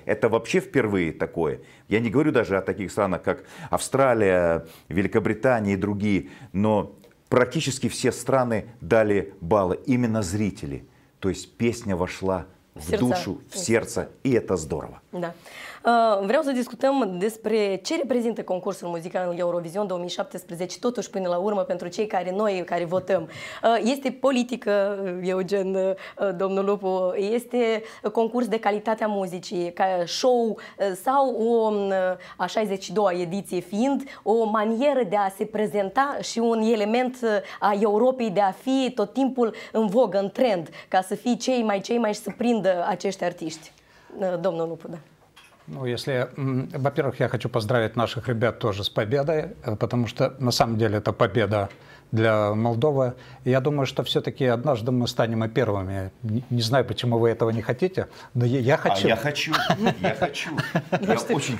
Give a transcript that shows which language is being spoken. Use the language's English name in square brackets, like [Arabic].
[Russian] Это вообще впервые такое. Я не говорю даже о таких странах, как Австралия, Великобритания и другие, но... практически все страны дали баллы, именно зрители. То есть песня вошла в сердца. Душу, в сердце, и это здорово. Да. [Romanian] Vreau să discutăm despre ce reprezintă concursul muzical Eurovision 2017, totuși până la urmă pentru cei care noi, care votăm. Este politică, Eugen, domnul Lupu, este concurs de calitatea muzicii, ca show sau o a 62-a ediție fiind o manieră de a se prezenta și un element a Europei de a fi tot timpul în vogă, în trend, ca să fie cei mai și să prindă acești artiști. Domnul Lupu, da. [Russian] Ну, если, во-первых, я хочу поздравить наших ребят тоже с победой, потому что на самом деле это победа для Молдовы. Я думаю, что все-таки однажды мы станем и первыми. Не знаю, почему вы этого не хотите, но я хочу. А я хочу, я хочу, я очень хочу.